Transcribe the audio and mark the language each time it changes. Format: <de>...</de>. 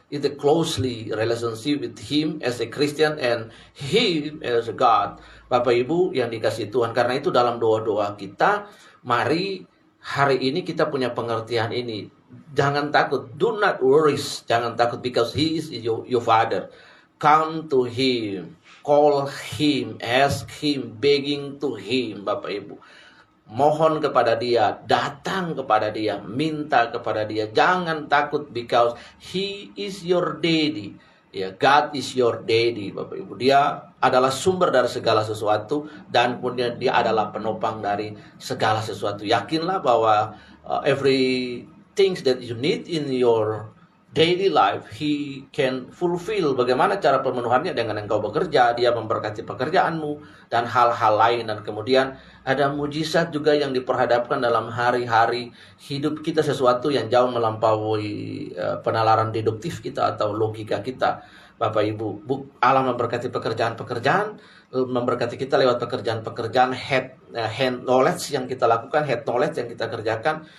<en>It's a closely relationship with him as a Christian and him as a God.</en> <id>Bapak Ibu yang dikasihi Tuhan, karena itu dalam doa-doa kita, mari hari ini kita punya pengertian ini. Jangan takut,</id> <en>do not worries,</en> <id>jangan takut,</id> <en>because he is your father. Come to him, call him, ask him, begging to him,</en> <id>Bapak Ibu. Mohon kepada dia, datang kepada dia, minta kepada dia. Jangan takut,</id> <en>because he is your daddy. Ya, God is your daddy,</en> <id>Bapak Ibu. Dia adalah sumber dari segala sesuatu dan punya dia adalah penopang dari segala sesuatu. Yakinlah bahwa</id> <en>every things that you need in your daily life, He can fulfill.</en> <id>Bagaimana cara pemenuhannya dengan engkau bekerja, Dia memberkati pekerjaanmu dan hal-hal lain. Dan kemudian ada mujizat juga yang diperhadapkan dalam hari-hari hidup kita, sesuatu yang jauh melampaui penalaran deduktif kita atau logika kita. Bapak Ibu, Allah memberkati pekerjaan-pekerjaan, memberkati kita lewat pekerjaan-pekerjaan hand knowledge yang kita lakukan, head knowledge yang kita kerjakan.</id>